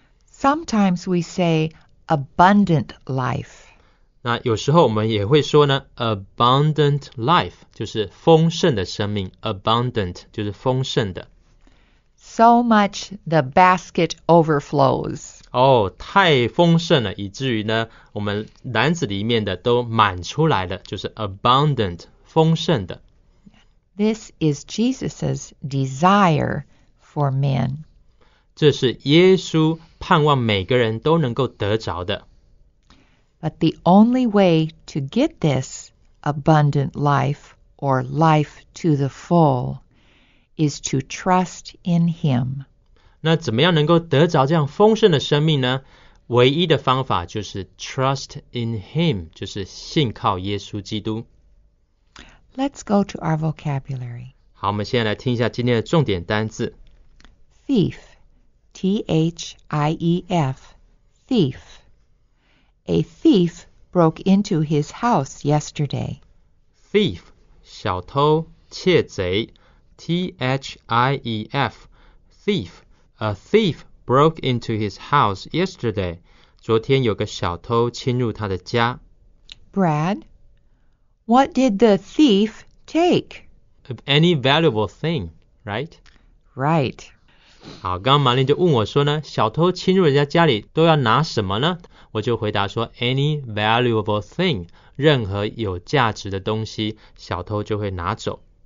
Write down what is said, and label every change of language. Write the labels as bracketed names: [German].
[English] Sometimes we say abundant life. [Chinese] 那有时候我们也会说呢 , [English] abundant life, [Chinese] 就是丰盛的生命 ,abundant, 就是丰盛的。 [English] So much the basket overflows. [Chinese] 太丰盛了，以至于呢，我们篮子里面的都满出来了，就是 abundant, 丰盛的。 [English] This is Jesus's desire for men. [Chinese] 这是耶稣盼望每个人都能够得着的。 [English] But the only way to get this abundant life or life to the full. Is to trust in him. [Chinese] 那怎么样能够得着这样丰盛的生命呢？唯一的方法就是 [English] trust in him, [Chinese] 就是信靠耶稣基督。 [English] Let's go to our vocabulary. [Chinese] 好，我们现在来听一下今天的重点单字。 [English] Thief, T-H-I-E-F, thief. A thief broke into his house yesterday. [Chinese] Thief, 小偷，窃贼。T-H-I-E-F, thief. [English] A thief broke into his house yesterday. [Chinese] 昨天有个小偷侵入他的家。 [English] Brad, what did the thief take? Any valuable thing, right? Right. [Chinese] 好，刚刚玛丽就问我说呢，小偷侵入人家家里都要拿什么呢？我就回答说 [English] any valuable thing， [Chinese] 任何有价值的东西小偷就会拿走。